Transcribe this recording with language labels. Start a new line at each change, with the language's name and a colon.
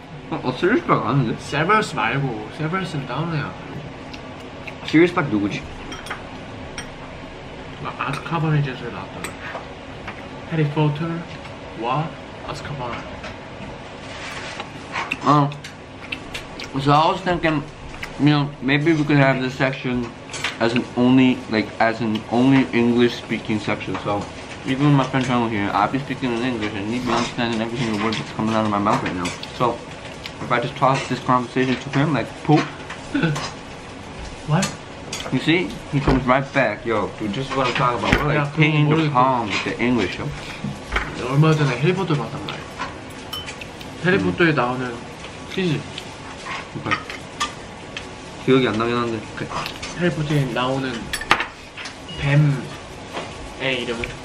Korean: 어, Sirius Black 아는데? Severus 말고, Severus는 다운이야. Sirius Black 누구지? 막 아즈카반의 제수에 나왔던 해리 포터 와 아즈카반. 어.
English: So I was thinking, you know, maybe we could have this section as an only, like, as an only English-speaking section, so even my friend channel here, I'll be speaking in English and he'd be understanding every single word that's coming out of my mouth right now. So, if I just toss this conversation to him, like, poop. What? You see? He comes right back. Yo, dude, this is what I'm talking about. We're like pinging the palm with the English, yo.
Korean: 얼마 전에 해리포터 봤단 말이야. 해리포터에 나오는 퀴즈. 오케이. 기억이 안 나긴 한데. 그... 해리포터에 나오는 뱀의 이름은?